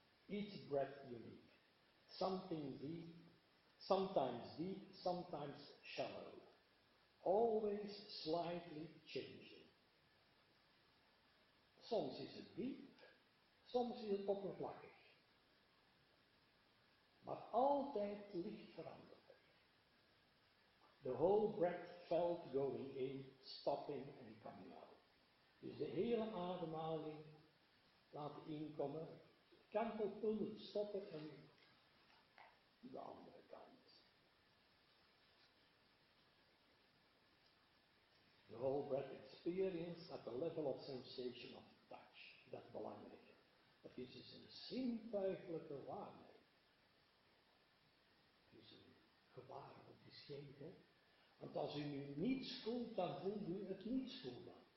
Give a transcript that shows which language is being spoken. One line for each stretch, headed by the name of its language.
English: Each breath unique, something deep, sometimes deep, sometimes shallow, always slightly changing.
Dutch: Soms is het diep, soms is het oppervlakkig, maar altijd licht veranderd.
English: The whole breath felt going in, stopping and coming out.
Dutch: Dus de hele ademhaling laten inkomen. Kantelpunt stoppen en de andere kant.
English: The whole breath experience at the level of sensation of touch.
Dutch: Dat is belangrijk. Dat is dus een zintuiglijke waarneming. Het is een gebaar, het is geen hè. Want als u nu niets voelt, dan voelt u het niets voelen.